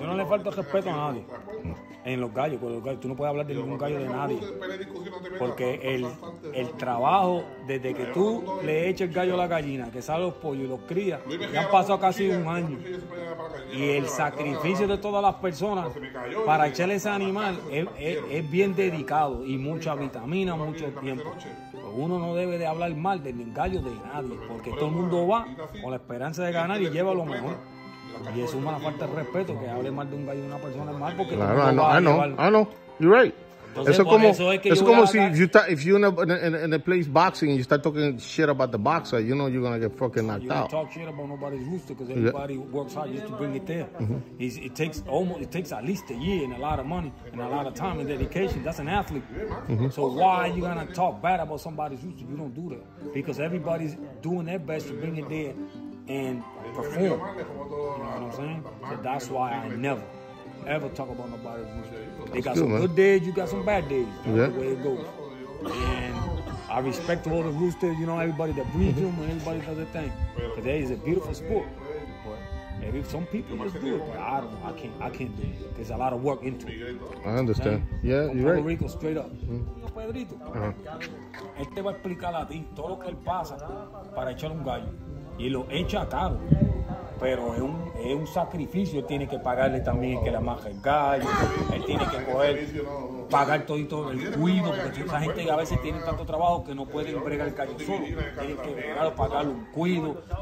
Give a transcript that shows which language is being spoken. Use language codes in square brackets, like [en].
[es] Yo no le falto respeto a nadie en los gallos, porque los gallos, tú no puedes hablar de ningún gallo de nadie, porque el trabajo desde que tú le eches el gallo a la gallina, que sale los pollos y los crías, ya han pasado casi un año, y el sacrificio de todas las personas para echarle ese animal es bien dedicado y mucha vitamina, mucho tiempo. Uno no debe de hablar mal del gallo de nadie, porque todo el mundo va con la esperanza de ganar y lleva lo mejor. Y es una falta de respeto que hable mal de un gallo de una persona mal, porque claro, no, no, no, no, [en] you're right. [es] Entonces, eso, como, eso es que eso como si a... [en] if you're in a place boxing and you start talking shit about the boxer, you know you're gonna get fucking knocked out. You don't talk shit about nobody's rooster because everybody works hard just to bring it there. Mm-hmm. It takes at least a year and a lot of money and a lot of time and dedication. That's an athlete. Mm-hmm. So why are you gonna talk bad about somebody's rooster? You don't do that because everybody's doing their best to bring it there and perform. You know what I'm saying? So that's why I never ever talk about nobody's rooster. They got some good days, you got some bad days. That's the way it goes. And I respect all the roosters, you know, everybody that breeds them and everybody does their thing. Today is a beautiful sport. But maybe some people just do it, but I can't do it. There's a lot of work into it. I understand. Okay? Yeah, you're right. Puerto Rico, straight up. [es] Pedrito, él te va a explicar a ti todo lo que él pasa para echar un gallo. Y lo echa a cabo. Pero es un sacrificio, él tiene que pagarle también que le amaje el gallo, él tiene que coger, pagar todito el cuido, porque esa gente a veces tiene tanto trabajo que no puede bregar el gallo solo, tiene que pagarle un cuido,